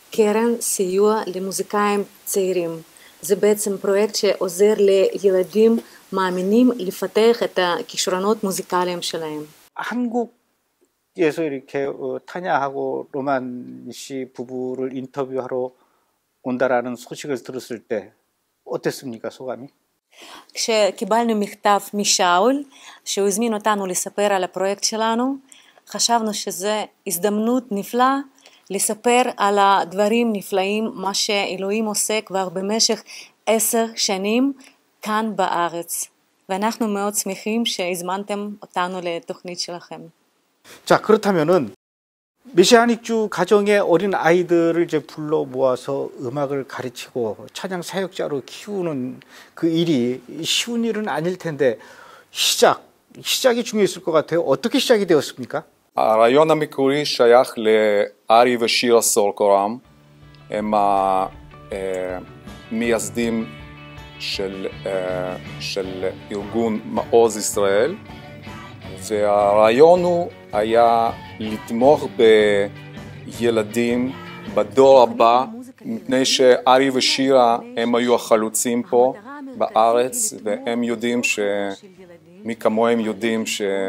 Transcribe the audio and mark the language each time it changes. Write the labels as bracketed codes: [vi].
[he] קרן סיוע למוזיקאים צעירים. זה בעצם פרויקט שעוזר לילדים מאמינים לפתח את הכישרונות מוזיקליים שלהם. [ko] 한국에서 이렇게 타냐하고 로만 씨 부부를 인터뷰하러 온다라는 소식을 들었을 때 어땠습니까, 소감이? [he] כשקיבלנו מכתב משאול, שהוא הזמין אותנו לספר על הפרויקט שלנו, חשבנו שזה הזדמנות נפלאה לספר על הדברים נפלאים, מה שאלוהים עושה כבר במשך 10 שנים כאן בארץ. ואנחנו מאוד שמחים שהזמנתם אותנו לתוכנית שלכם. [ko] 자, 그렇다면은 메시아닉주 가정의 어린 아이들을 이제 불러 모아서 음악을 가르치고 찬양 사역자로 키우는 그 일이 쉬운 일은 아닐 텐데 시작이 중요했을 것 같아요. 어떻게 시작이 되었습니까? [he] הרעיון המקורי שייך לארי ושירה סולקורם, הם המייסדים של של ארגון מעוז ישראל, והרעיון הוא היה לתמוך בילדים בדור הבא, מפני שארי ושירה הם היו החלוצים פה בארץ, והם יודעים ש מי כמוהם יודעים ש